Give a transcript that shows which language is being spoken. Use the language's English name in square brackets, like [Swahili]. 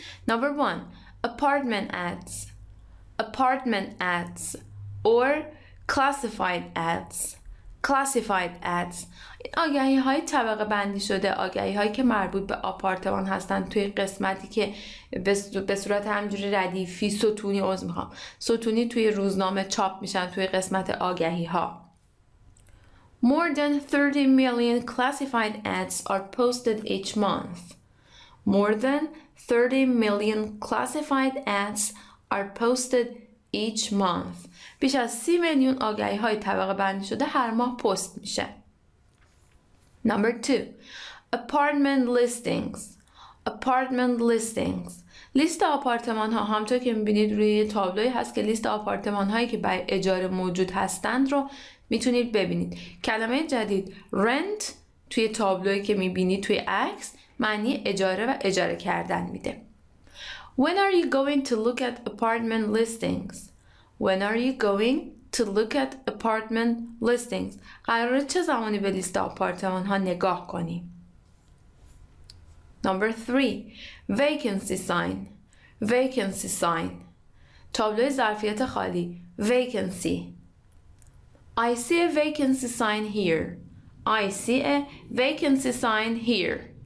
[English] Number one, apartment ads. Apartment ads or classified ads. Classified ads. [Persian] این آگهی های طبقه بندی شده، آگهی هایی که مربوط به آپارتمان هستن توی قسمتی که به صورت همجوری ردیفی ستونی، عذر میخوام، ستونی توی روزنامه چاپ میشن توی قسمت آگهی ها. [English] More than 30 million classified ads are posted each month. More than 30 million classified ads are posted each month. [Persian] بیش از 30 میلیون آگهی های طبقه بندی شده هر ماه پست میشه. [English] Number 2. Apartment listings. Apartment listings. [Persian] لیست آپارتمان ها، همطور که میبینید روی تابلوی هست که لیست آپارتمان هایی که برای اجاره موجود هستند رو میتونید ببینید. کلمه جدید rent توی تابلوی که میبینید توی عکس معنی اجاره و اجاره کردن میده. [English] When are you going to look at apartment listings? When are you going to look at apartment listings? [Persian] قرار چه زمانی به لیست آپارتمان ها نگاه کنی؟ [English] Number 3. Vacancy sign. Vacancy sign. [Persian] تابلوی ظرفیت خالی. [English] Vacancy. I see a vacancy sign here. I see a vacancy sign here.